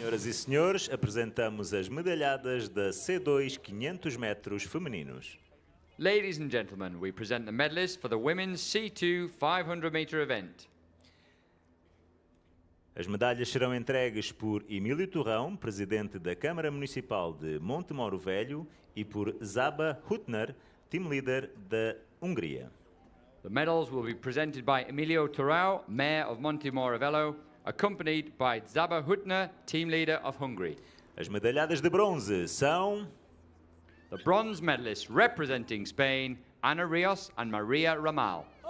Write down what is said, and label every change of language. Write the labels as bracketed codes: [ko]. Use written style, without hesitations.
[pt] E senhores, apresentamos as medalhadas da C2 500 metros femininos. [en] Ladies and gentlemen, we present the medalists for the women's C2 500 meter event. [pt] As medalhas serão entregues por Emílio Torrão, presidente da Câmara Municipal de Montemor-o-Velho, e por Zaba Hutner, team leader da Hungria. [en] The medals will be presented by Emílio Torrão, mayor of Montemor-o-Velho, accompanied by Zaba Hutner, team leader of Hungary. [pt] As medalhadas de bronze são... [en] The bronze medalists representing Spain, Ana Rios and Maria Ramal.